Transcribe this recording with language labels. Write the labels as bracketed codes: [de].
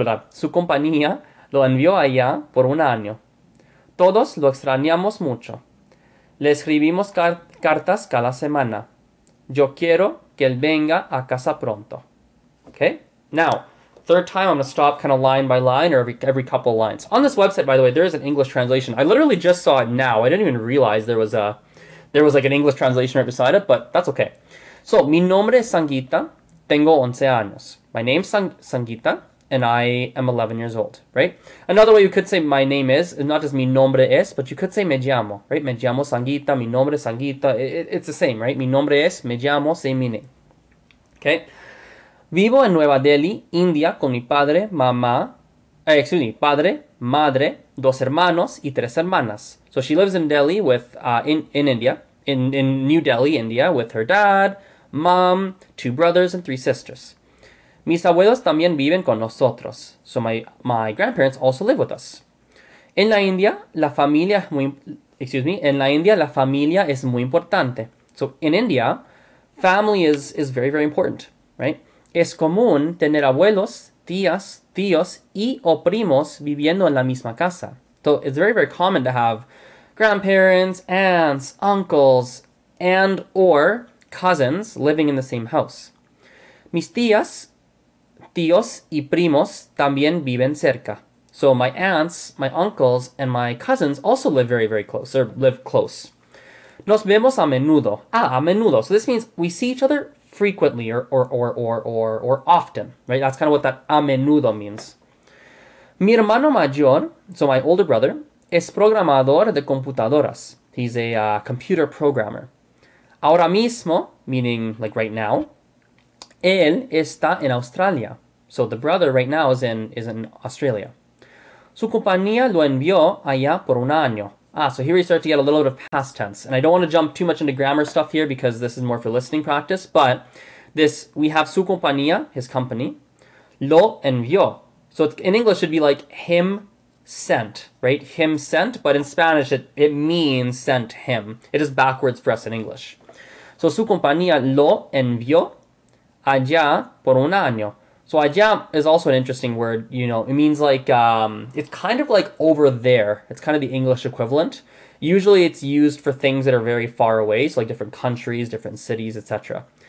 [es] Su compañía lo envió allá por un año. Todos lo extrañamos mucho. Le escribimos cartas cada semana. Yo quiero que él venga a casa pronto. [en] Okay? Now, third time I'm gonna stop kind of line by line or every couple lines. On this website, by the way, there is an English translation. I literally just saw it now. I didn't even realize there was like an English translation right beside it, but that's okay. So, [es] mi nombre es Sangita, tengo 11 años. [en] My name's Sangita, and I am 11 years old, right? Another way you could say my name is not just [es] mi nombre es, [en] but you could say [es] me llamo, [en] right? [es] Me llamo Sangita, mi nombre es Sangita. [en] It's the same, right? [es] Mi nombre es, me llamo, say mi name. Okay? Vivo en Nueva Delhi, India, con mi padre, mamá, [en] excuse me, [es] padre, madre, dos hermanos y tres hermanas. [en] So she lives in Delhi with, in India, in New Delhi, India, with her dad, mom, two brothers, and three sisters. [es] Mis abuelos también viven con nosotros. [en] So my grandparents also live with us. [es] En la India, la familia es muy, [en] excuse me, [es] en la India, la familia es muy importante. [en] So in India, family is very, very important, right? [es] Es común tener abuelos, tías, tíos y o primos viviendo en la misma casa. [en] So it's very, very common to have grandparents, aunts, uncles, and or cousins living in the same house. [es] Mis tías, tíos y primos también viven cerca. [en] So my aunts, my uncles, and my cousins also live very, very close, or live close. [es] Nos vemos a menudo. A menudo. [en] So this means we see each other frequently or often, right? That's kind of what that a menudo means. [es] Mi hermano mayor, [en] so my older brother, [es] es programador de computadoras. [en] He's a computer programmer. [es] Ahora mismo, [en] meaning like right now, [es] él está en Australia. [en] So the brother right now is in Australia. [es] Su compañía lo envió allá por un año. [en] Ah, so here we start to get a little bit of past tense. And I don't want to jump too much into grammar stuff here because this is more for listening practice, but this, we have [es] su compañía, [en] his company, [es] lo envió. [en] So it's, in English, it'd be like him sent, right? Him sent, but in Spanish, it means sent him. It is backwards for us in English. [es] So su compañía lo envió allá por un año. [en] So allá is also an interesting word, you know, it means like, it's kind of like over there. It's kind of the English equivalent. Usually it's used for things that are very far away, so like different countries, different cities, etc.